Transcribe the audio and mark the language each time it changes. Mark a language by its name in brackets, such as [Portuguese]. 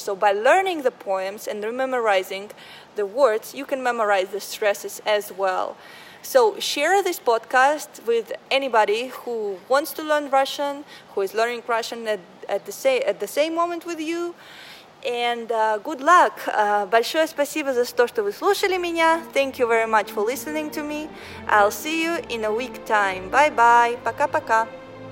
[English] So by learning the poems and memorizing the words, you can memorize the stresses as well. So share this podcast with anybody who wants to learn Russian, who is learning Russian at the same moment with you. And good luck. [Russian] Большое спасибо за то, что вы слушали меня. [English] Thank you very much for listening to me. I'll see you in a week time. Bye-bye. [Russian] Пока-пока.